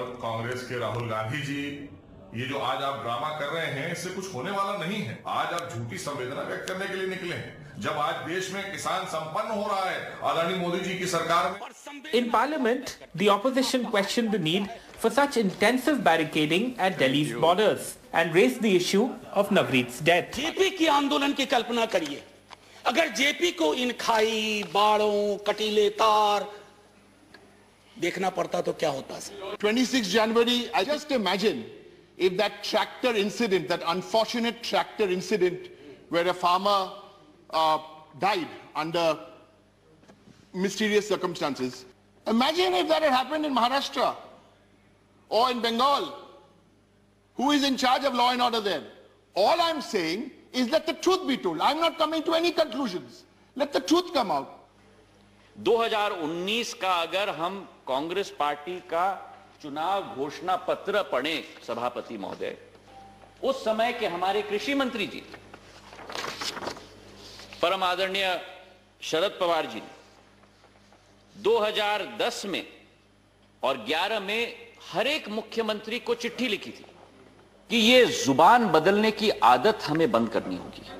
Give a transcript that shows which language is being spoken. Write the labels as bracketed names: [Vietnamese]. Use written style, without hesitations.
[Hindi] ये जो आज आप ड्रामा कर रहे हैं इससे कुछ होने वाला नहीं है. आज आप झूठी संवेदना व्यक्त करने के लिए निकले हैं. जब आज देश में किसान संपन्न हो रहा है आदरणीय मोदी जी की सरकार में. [English] In Parliament, the opposition questioned the need for such intensive barricading at Delhi's borders and raised the issue of Navreet's death. [Hindi] JP की आंदोलन की कल्पना करिए. अगर जेपी को इन खाई बाड़ों कटीले तार देखना पड़ता तो क्या होता. [English] 26 January, I just imagine if that tractor incident, that unfortunate tractor incident where a farmer died under mysterious circumstances, imagine if that had happened in Maharashtra or in Bengal. Who is in charge of law and order there? All I'm saying is let the truth be told. I'm not coming to any conclusions. Let the truth come out. [Hindi] 2019 ka agar hum Congress party ka चुनाव घोषणा पत्र पढ़े सभापति महोदय, उस समय के हमारे कृषि मंत्री जी परम आदरणीय शरद पवार जी ने 2010 में और 11 में हर एक मुख्यमंत्री को चिट्ठी लिखी थी कि ये जुबान बदलने की आदत हमें बंद करनी होगी.